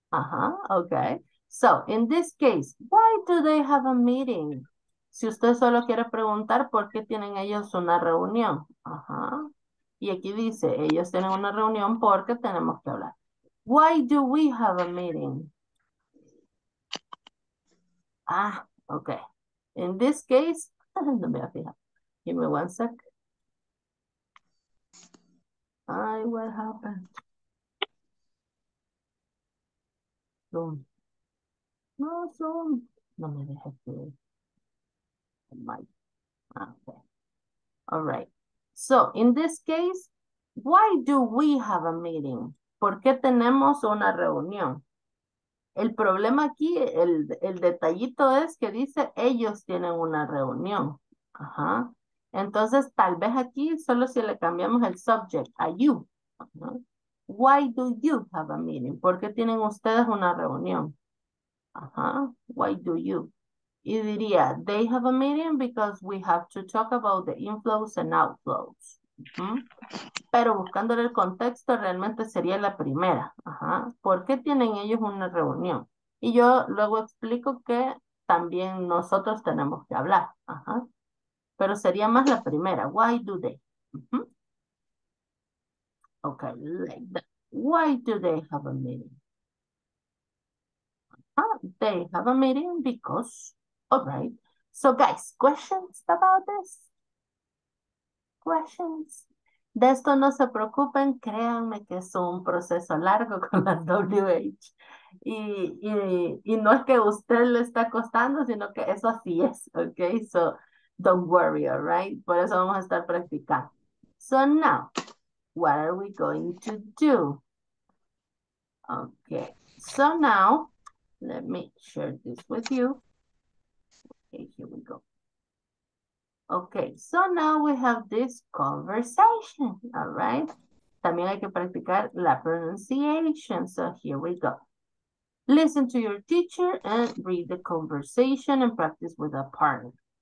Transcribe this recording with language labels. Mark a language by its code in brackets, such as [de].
[en] Ajá, okay. So, in this case, why do they have a meeting? [es] Si usted solo quiere preguntar por qué tienen ellos una reunión. Ajá. Y aquí dice, ellos tienen una reunión porque tenemos que hablar. [en] Why do we have a meeting? Ah, ok. In this case, [es] no me voy a fijar. [en] Give me one sec. Ay, what happened? [es] Zoom. No, Zoom. No me deja que... [en] Okay. All right. So, in this case, why do we have a meeting? [es] ¿Por qué tenemos una reunión? El problema aquí, el detallito es que dice ellos tienen una reunión. Ajá. Entonces, tal vez aquí, solo si le cambiamos el subject a you. Ajá. [en] Why do you have a meeting? [es] ¿Por qué tienen ustedes una reunión? [en] Ajá. Why do you? [es] Y diría, [en] they have a meeting because we have to talk about the inflows and outflows. ¿Mm? [es] Pero buscándole el contexto, realmente sería la primera. Ajá. ¿Por qué tienen ellos una reunión? Y yo luego explico que también nosotros tenemos que hablar. Ajá. Pero sería más la primera. [en] Why do they? [es] ¿Mm-hmm? [en] Ok, like that. Why do they have a meeting? They have a meeting because... All right. So, guys, questions about this? Questions? [es] De esto no se preocupen. Créanme que es un proceso largo con la WH. Y no es que usted le está costando, sino que eso así es. [en] Ok. So, don't worry. All right. [es] Por eso vamos a estar practicando. [en] So, now, what are we going to do? Ok. So, now, let me share this with you. Okay, here we go. Okay, so now we have this conversation, all right? [es] También hay que practicar la pronunciation, [en] so here we go. Listen to your teacher and read the conversation and practice with a partner.